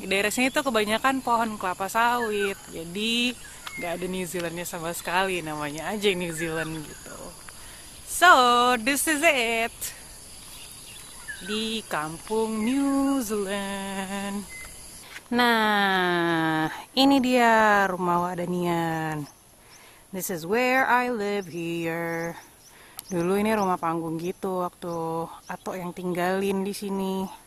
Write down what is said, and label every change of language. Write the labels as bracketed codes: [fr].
[id] Di daerah sini tuh kebanyakan pohon kelapa sawit. Jadi gak ada New Zealand-nya sama sekali. Namanya aja New Zealand gitu. [en] So, this is it. [id] Di Kampung New Zealand. Nah, ini dia rumah Wadanian. [en] This is where I live here. [id] Dulu ini rumah panggung gitu waktu Ato yang tinggalin di sini.